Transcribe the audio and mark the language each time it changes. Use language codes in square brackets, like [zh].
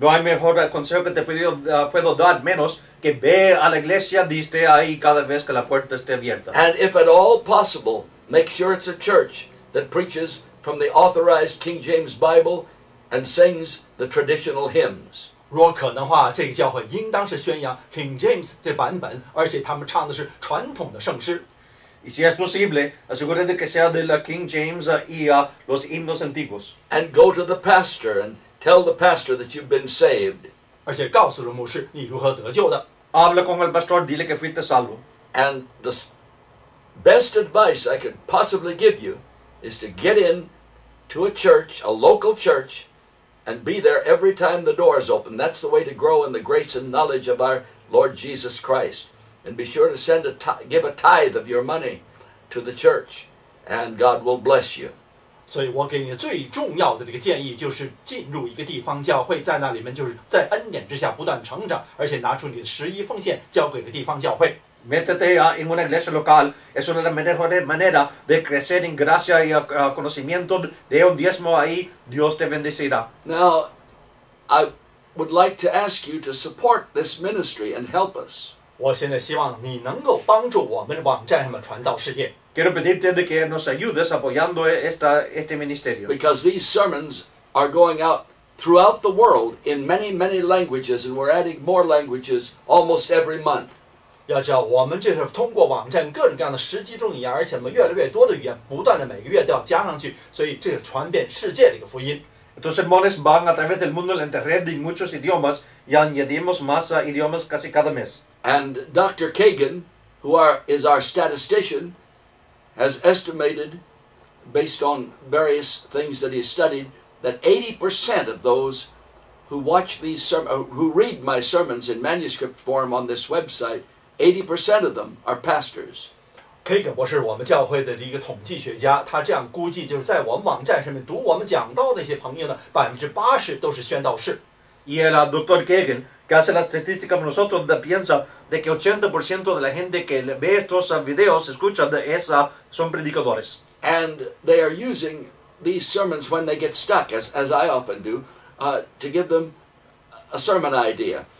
[es] No hay mejor consejo que te puedo dar menos que ve a la iglesia y esté ahí cada vez que la puerta esté abierta. [en] And if at all possible, make sure it's a church that preaches from the authorized King James Bible and sings the traditional hymns. [zh] 若可能的话，这个教会应当是宣扬 King James 的版本，而且他们唱的是传统的圣诗。 [es] Y si es posible, asegúrate que sea de la King James y los himnos antiguos. [en] And go to the pastor and tell the pastor that you've been saved. [zh] 而且告诉了牧师你如何得救的。 [es] Habla con el pastor, dile que fuiste salvo. [en] And the best advice I could possibly give you is to get in to a church, a local church, and be there every time the door is open. That's the way to grow in the grace and knowledge of our Lord Jesus Christ. And be sure to send give a tithe of your money to the church, and God will bless you. [zh] 所以我给你最重要的这个建议就是进入一个地方教会，在那里面就是在恩典之下不断成长，而且拿出你的十一奉献交给一个地方教会。 [es] Métete en una iglesia local, es una de las mejores maneras de crecer en gracia y conocimiento. De un diezmo ahí, Dios te bendecirá. [en] Now, I would like to ask you to support this ministry and help us. [zh] 我现在希望你能够帮助我们网站上的传道事业。 [es] Quiero pedirte de que nos ayudes apoyando este ministerio. [en] Because these sermons are going out throughout the world in many, many languages, and we're adding more languages almost every month. [zh] 要知道，我们这是通过网站各种各样的十几种语言，而且我们越来越多的语言不断的每个月都要加上去，所以这是传遍世界的一个福音。 [es] Entonces, monos van a través del mundo en red en muchos idiomas y añadimos más idiomas casi cada mes. [en] And Dr. Kagan, who is our statistician, has estimated, based on various things that he studied, that 80% of those who watch these who read my sermons in manuscript form on this website, 80% of them are pastors. [zh] Kagan 博士，我们教会的一个统计学家，他这样估计，就是在我们网站上面读我们讲道那些朋友呢，80%都是宣道士。 [es] Y el doctor Kagan, que hace las estadísticas con nosotros, piensa de que 80% de la gente que ve estos videos, escucha de esa, son predicadores. [en] And they are using these sermons when they get stuck, as I often do, to give them a sermon idea.